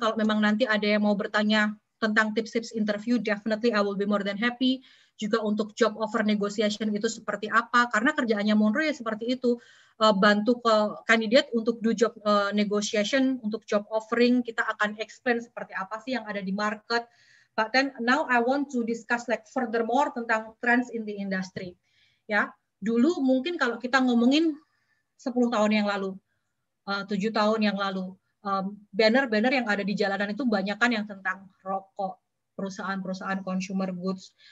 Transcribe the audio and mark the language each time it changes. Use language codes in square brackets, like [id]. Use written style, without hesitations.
[id] Kalau memang nanti ada yang mau bertanya tentang tips-tips interview, [en] definitely I will be more than happy. [id] Juga untuk job offer negotiation itu seperti apa, karena kerjaannya Monroe ya seperti itu, bantu ke kandidat untuk [en] do job negotiation, [id] untuk job offering, kita akan explain seperti apa sih yang ada di market. [en] But then now I want to discuss like furthermore [id] tentang [en] trends in the industry. [id] Ya, dulu mungkin kalau kita ngomongin 10 tahun yang lalu, 7 tahun yang lalu, banner-banner yang ada di jalanan itu banyak kan yang tentang rokok, perusahaan-perusahaan consumer goods.